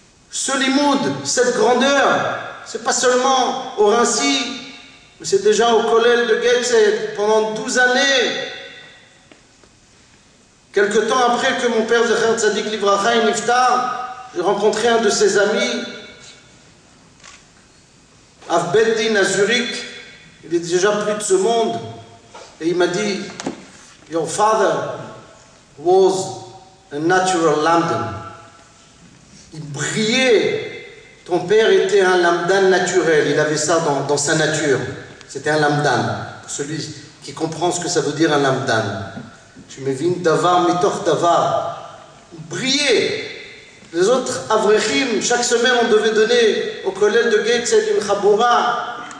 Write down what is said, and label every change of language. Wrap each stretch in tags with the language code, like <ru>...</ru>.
<fr>Ce limoud, cette grandeur, c'est pas seulement au Rinci, mais c'est déjà au Kollel de Getzed pendant 12 années. Quelque temps après que mon père Zecher Tzadik Livracha et Niftar, j'ai rencontré un de ses amis, Av Beit Din à Zurich. Il est déjà plus de ce monde. Et il m'a dit,</fr> <en>your father was a natural lamdan.</en> <fr>Il brillait. Ton père était un lamdan naturel. Il avait ça dans sa nature. C'était un lamdan. Pour celui qui comprend ce que ça veut dire un lamdan. Tu me vins davar mitoch davar. Il brillait. Les autres avrechim, chaque semaine on devait donner au collège de Gateshead une chaboura.</fr>